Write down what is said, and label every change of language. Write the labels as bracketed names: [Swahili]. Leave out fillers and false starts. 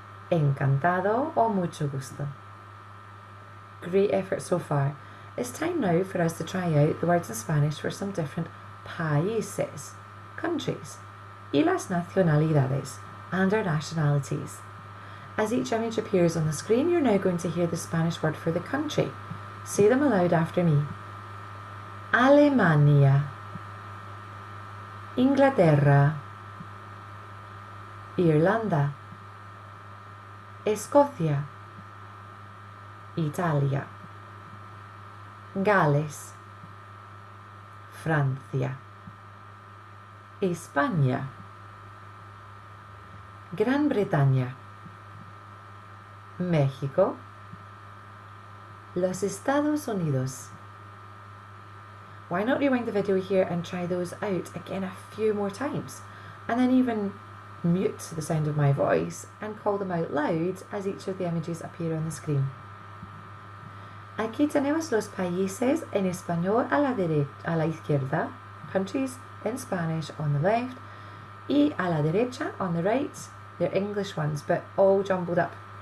[Spanish] Encantado o mucho gusto. [English] Great effort so far. It's time now for us to try out the words in Spanish for some different países, countries. [Spanish] Y las nacionalidades, and our nationalities. [English] As each image appears on the screen, you're now going to hear the Spanish word for the country. Say them aloud after me. Alemania. Inglaterra. [Spanish] Irlanda. Escocia. Italia. Gales. Francia. España. Gran Bretaña, México, los Estados Unidos. [English] Why not rewind the video here and try those out again a few more times? And then even mute the sound of my voice and call them out loud as each of the images appear on the screen. Aquí tenemos los países en español a la izquierda, countries in Spanish on the left, y a la derecha on the right, they're English ones, but all jumbled up.